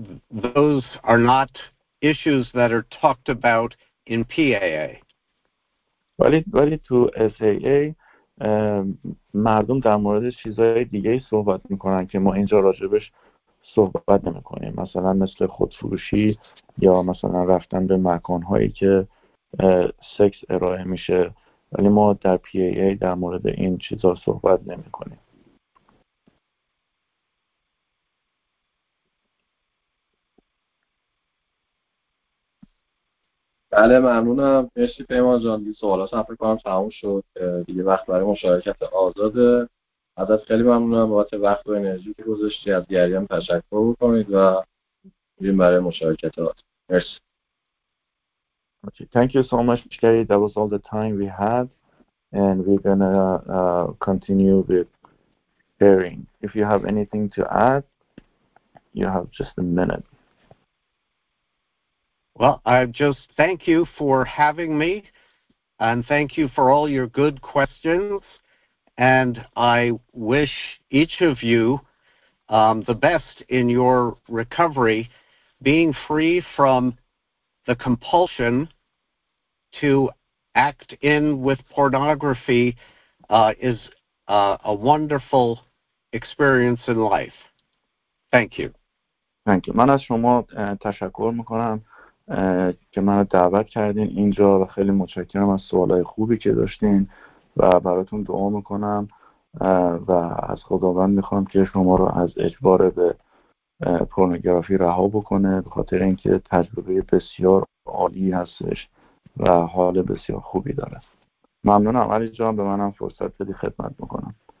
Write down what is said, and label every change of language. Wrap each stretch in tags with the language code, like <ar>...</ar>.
<en>Those are not issues that are talked about in PAA.</en> <fa>ولی تو SAA مردم در مورد چیزهای دیگه صحبت میکنن که ما اینجا راجبش صحبت نمی کنیم. مثلا مثل خودفروشی یا مثلا رفتن به مکان هایی که سکس ارائه میشه ولی ما در PAA در مورد این چیزا صحبت نمی کنیم. بله ممنونم. مرسی پیمان جان. دیگه سوالات هم فکر کنم تموم شد. دیگه وقت برای مشارکت آزاده. ازت خیلی ممنونم بابت وقت و انرژی که گذاشتی. از دیگری هم تشکر بکنید و بریم برای مشارکت آزاده. مرسی.</fa> <en>Okay. Thank you so much, Gary. That was all the time we had, and we're gonna continue with sharing. If you have anything to add, you have just a minute. Well, I just thank you for having me, and thank you for all your good questions, and I wish each of you the best in your recovery, being free from the compulsion to act in with pornography is a wonderful experience in life. Thank you. Thank you.</en> <fa>من از شما تشکر میکنم. که من رو دعوت کردین اینجا و خیلی متشکرم از سوالای خوبی که داشتین و براتون دعا میکنم و از خداوند میخوام که شما رو از اجبار به پورنوگرافی رها بکنه به خاطر اینکه تجربه بسیار عالی هستش و حال بسیار خوبی داره. ممنونم علی جان به منم فرصت دادی خدمت میکنم.</fa>